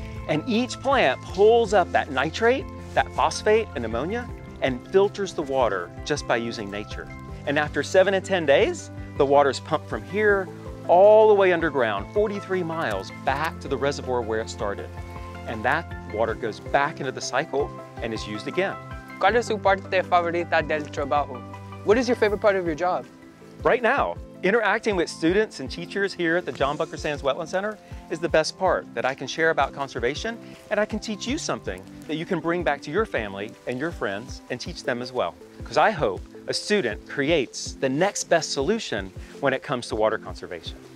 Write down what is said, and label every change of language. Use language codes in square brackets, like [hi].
[en] And each plant pulls up that nitrate, that phosphate, and ammonia, and filters the water just by using nature. And after 7 to 10 days, the water is pumped from here all the way underground, 43 miles back to the reservoir where it started. And that water goes back into the cycle and is used again. [es] ¿Cuál es su parte favorita del trabajo? [en] What is your favorite part of your job? Right now, interacting with students and teachers here at the John Bunker Sands Wetland Center is the best part that I can share about conservation, and I can teach you something that you can bring back to your family and your friends and teach them as well. Because I hope a student creates the next best solution when it comes to water conservation.